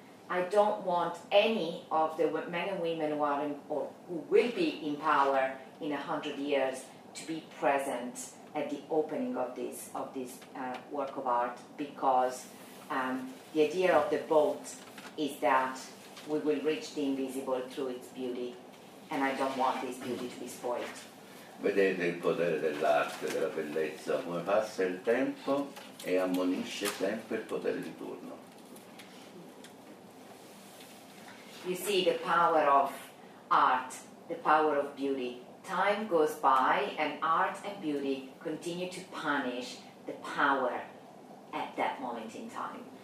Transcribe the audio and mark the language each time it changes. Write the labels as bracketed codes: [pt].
[en] I don't want any of the men and women who will be in power in 100 years to be present at the opening of this work of art, because the idea of the boat is that we will reach the invisible through its beauty, and I don't want this beauty to be spoiled. [it] Vedete il potere dell'arte, della bellezza, come passa il tempo e ammonisce sempre il potere di turno. [en] You see the power of art, the power of beauty. Time goes by and art and beauty continue to punish the power at that moment in time.